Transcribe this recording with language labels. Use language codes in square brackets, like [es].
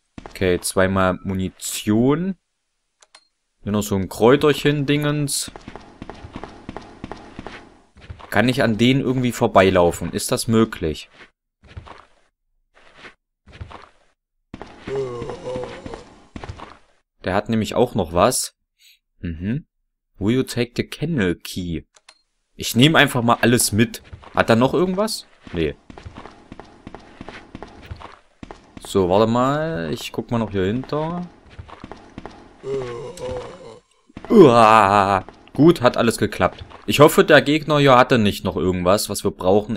[de] Okay, zweimal Munition. Nur noch so ein Kräuterchen-Dingens. Kann ich an denen irgendwie vorbeilaufen? Ist das möglich? Oh. Der hat nämlich auch noch was. [en] Will you take the kennel key? [de] Ich nehme einfach mal alles mit. Hat er noch irgendwas? Nee. So, warte mal. Ich guck mal noch hier hinter. Uah, gut, hat alles geklappt. Ich hoffe, der Gegner hier hatte nicht noch irgendwas, was wir brauchen.